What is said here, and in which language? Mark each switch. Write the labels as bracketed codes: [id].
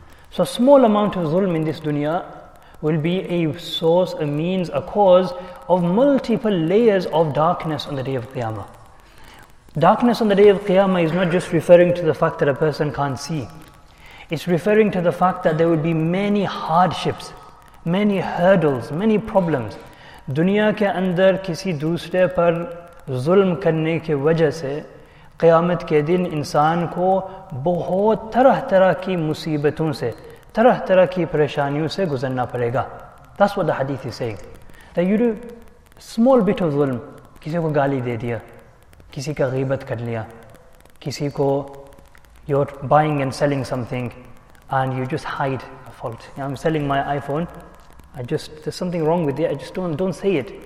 [en] So small amount of zulm in this dunya will be a source, a means, a cause of multiple layers of darkness on the day of Qiyamah. Darkness on the day of Qiyamah is not just referring to the fact that a person can't see. It's referring to the fact that there will be many hardships, many hurdles, many problems. [ur] دنیا کے اندر کسی دوسرے پر ظلم کرنے کے وجہ سے، قیامت کے دن انسان کو بہت طرح طرح کی مصیبتوں سے، طرح طرح کی پریشانیوں سے گزرنا پڑے گا. [en] That's what the hadith is saying. That you do small bit of ظلم، [ur] کسی کو گالی دے دیا، کسی کا غیبت کر لیا، کسی کو، [en] you're buying and selling something and you just hide a fault. You know, I'm selling my iPhone, there's something wrong with it, I just don't say it.